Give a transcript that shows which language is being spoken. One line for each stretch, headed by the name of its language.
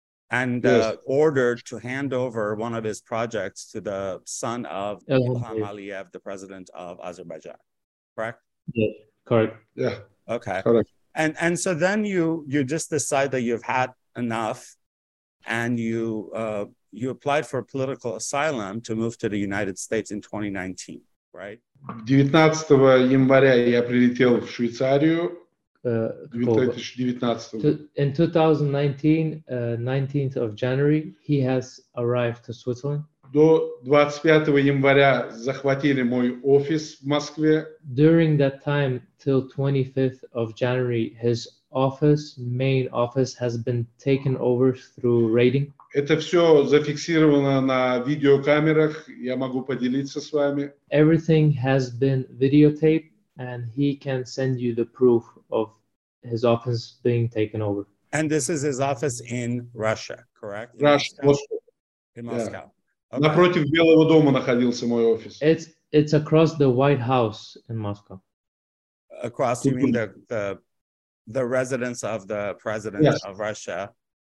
English: And ordered to hand over one of his projects to the son of Ilham Aliyev, the president of Azerbaijan, correct? Yeah, correct. Yeah. Okay. Correct. And so then you just decide that you've had enough, and you applied for political asylum to move to the United States in 2019, right?
Russian: 19 января я прилетел в Швейцарию.
English: In 2019, 19th of January, he has arrived to Switzerland.
Russian: До 25 января захватили мой офис в Москве.
English: During that time, till 25th of January, his office, main office, has been taken over through raiding.
Russian: Это все зафиксировано на видеокамерах. Я могу поделиться с вами.
English: Everything has been videotaped, and he can send you the proof of his office being taken over. And this is his office in Russia, correct? In Moscow. Yeah. Okay.
Russian: Напротив Белого дома находился мой офис.
English: It's across the White House in Moscow. Across, you mean the residence of the president of Russia?